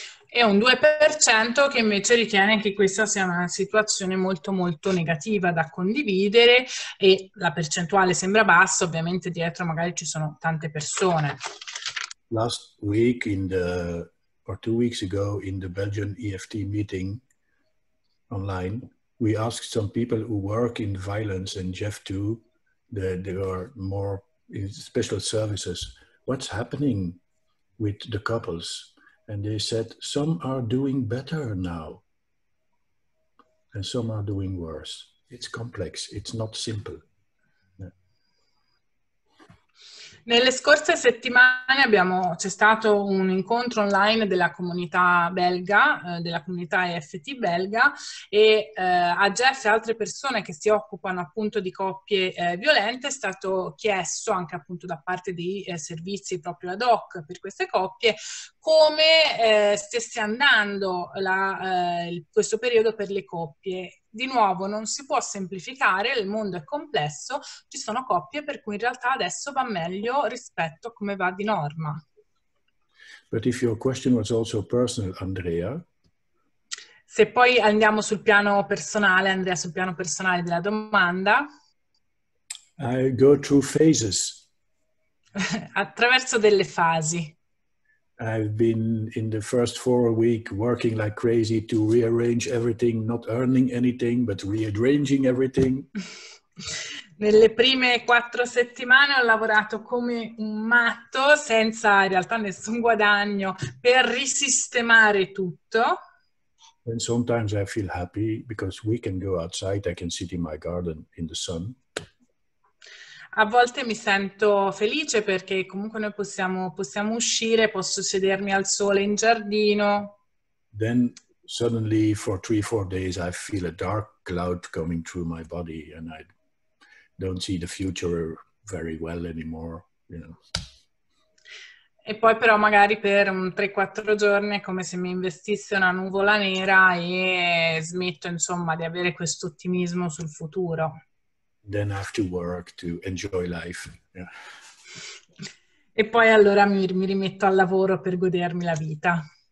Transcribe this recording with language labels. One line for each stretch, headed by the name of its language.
Italian: E un 2% che invece ritiene che questa sia una situazione molto molto negativa da condividere, e la percentuale sembra bassa, ovviamente dietro magari ci sono tante persone.
English: Last week or 2 weeks ago in the Belgian EFT meeting online, we asked some people who work in violence and Jeff too, that they are more in special services, what's happening with the couples? And they said, some are doing better now and some are doing worse. It's complex, it's not simple.
Italian: Nelle scorse settimane c'è stato un incontro online della comunità belga, della comunità EFT belga, e a Jeff e altre persone che si occupano appunto di coppie violente è stato chiesto, anche appunto da parte dei servizi proprio ad hoc per queste coppie, come stesse andando questo periodo per le coppie. Di nuovo, non si può semplificare, il mondo è complesso, ci sono coppie per cui in realtà adesso va meglio rispetto a come va di norma.
English: But if your question was also personal, Andrea?
Italian: Se poi andiamo sul piano personale, Andrea, sul piano personale della domanda.
English: I go through phases.
Italian: Attraverso delle fasi.
English: I've been in the first 4 weeks working like crazy to rearrange everything, not earning anything, but rearranging everything.
Italian: Nelle prime 4 settimane ho lavorato come un matto, senza in realtà nessun guadagno, per risistemare tutto.
English: And sometimes I feel happy because we can go outside, I can sit in my garden in the sun.
Italian: A volte mi sento felice perché comunque noi possiamo uscire, posso sedermi al sole in giardino.
English: Then suddenly for 3-4 days I feel a dark cloud coming through my body and I don't see the future very well anymore, you know.
Italian: E poi però magari per 3-4 giorni è come se mi investisse una nuvola nera e smetto, insomma, di avere questo ottimismo sul futuro.
English: Then I have to work to enjoy life. Yeah.
Italian: E poi allora mi rimetto al lavoro per godermi la vita.